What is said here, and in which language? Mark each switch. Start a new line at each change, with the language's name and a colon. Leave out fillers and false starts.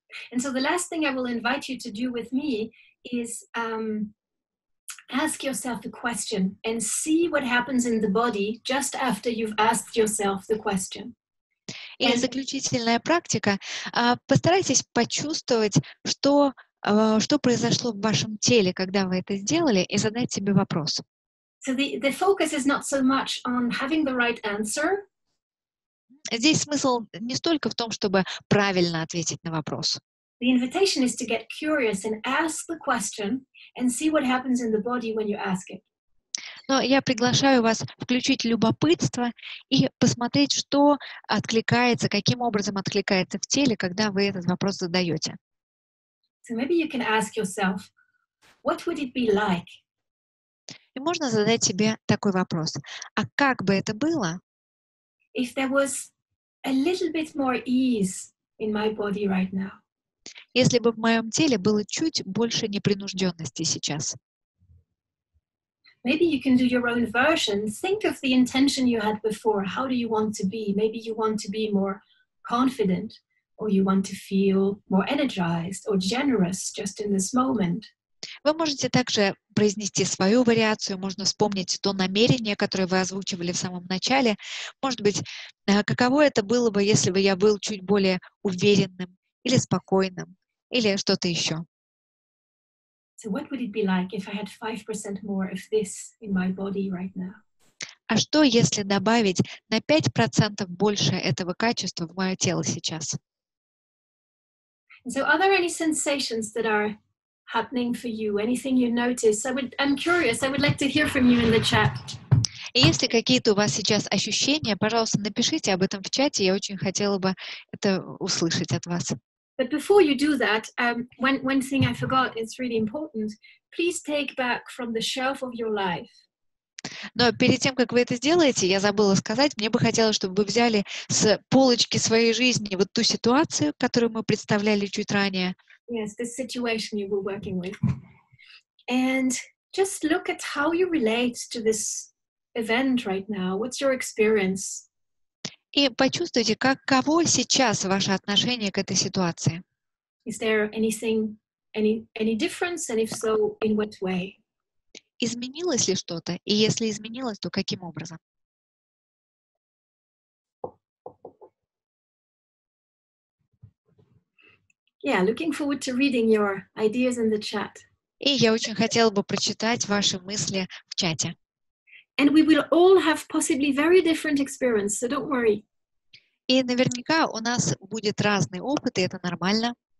English: And so the last thing I will invite you to do with me is ask yourself a question and see what happens in the body just after you've asked yourself the question.
Russian: И заключительная практика. Постарайтесь почувствовать, что произошло в вашем теле, когда вы это сделали, и задать себе вопрос.
English: So the focus is not so much on having the right answer.
Russian: Здесь смысл не столько в том, чтобы правильно ответить на вопрос.
English: The invitation is to get curious and ask the question and see what happens in the body when you ask it.
Russian: Но я приглашаю вас включить любопытство и посмотреть, что откликается, каким образом откликается в теле, когда вы этот вопрос задаете.
English: So maybe you can ask yourself, what would it be like?
Russian: И можно задать себе такой вопрос: а как бы это было?
English: If there was a little bit more ease in my body right now.
Russian: Если бы в моем теле было чуть больше непринужденности сейчас.
English: Maybe you can do your own version. Think of the intention you had before. How do you want to be? Maybe you want to be more confident. Or you want to feel more energized or generous just in this moment.
Russian: Вы можете также произнести свою вариацию, можно вспомнить то намерение, которое вы озвучивали в самом начале. Может быть, каково это было бы, если бы я был чуть более уверенным или спокойным, или что-то еще.
English: So what would it be like if I had 5% more of this in my body right now?
Russian: А что, если добавить на 5% больше этого качества в мое тело сейчас?
English: So are there any sensations that are happening for you? Anything you notice? I'm curious. I would like to hear from you in the chat.
Russian: И если какие-то у вас сейчас ощущения, пожалуйста, напишите об этом в чате. Я очень хотела бы это услышать от вас.
English: But before you do that, one thing I forgot, it's really important. Please take back from the shelf of your life.
Russian: Но перед тем, как вы это сделаете, я забыла сказать, мне бы хотелось, чтобы вы взяли с полочки своей жизни вот ту ситуацию, которую мы представляли чуть ранее.
English: Yes, the situation you were working with. And just look at how you relate to this event right now. What's your experience?
Russian: И почувствуйте, каково сейчас ваше отношение к этой ситуации.
English: Is there anything, any difference, and if so, in what way?
Russian: Изменилось ли что-то? И если изменилось, то каким образом?
English: Yeah, looking forward to reading your ideas in the chat.
Russian: И я очень хотела бы прочитать ваши мысли в чате.
English: And we will all have possibly very different experience, so don't worry.
Russian: И наверняка у нас будет разный опыт, и это нормально.